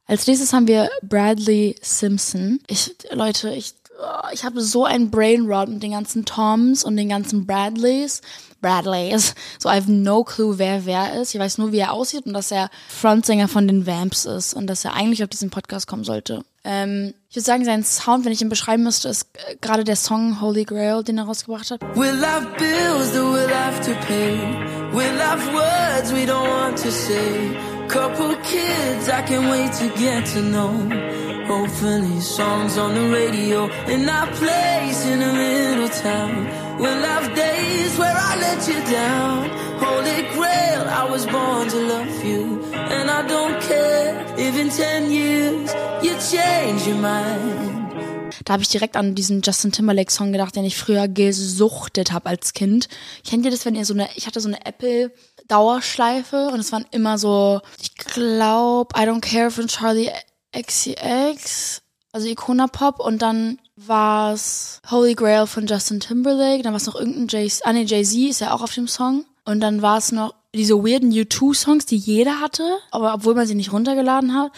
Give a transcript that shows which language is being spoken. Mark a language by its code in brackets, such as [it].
[de] Als nächstes haben wir Bradley Simpson. Ich habe so ein Brainrot mit den ganzen Toms und den ganzen Bradleys. [en] So, I have no clue, [de] wer ist. Ich weiß nur, wie er aussieht und dass er Frontsänger von den Vamps ist und dass er eigentlich auf diesen Podcast kommen sollte. Ich würde sagen, sein Sound, wenn ich ihn beschreiben müsste, ist gerade der Song Holy Grail, den er rausgebracht hat. [en] We'll have bills that we'll have to pay. We'll have words we don't want to say. Couple kids I can't wait to get to know. Hopefully songs on the radio. In our place in the middle town. We'll have days where I let you down. Holy Grail, I was born to love you. And I don't care if in 10 years you change your mind. [de] Da habe ich direkt an diesen Justin Timberlake Song gedacht, den ich früher gesuchtet habe als Kind. Kennt ihr das, wenn ihr so eine, ich hatte so eine Apple Dauerschleife und es waren immer so, ich glaube, I don't care von Charlie XCX, also Icona Pop, und dann war es Holy Grail von Justin Timberlake, dann war es noch irgendein Jay-Z ist ja auch auf dem Song, und dann war es noch diese weirden U2-Songs, die jeder hatte, aber obwohl man sie nicht runtergeladen hat.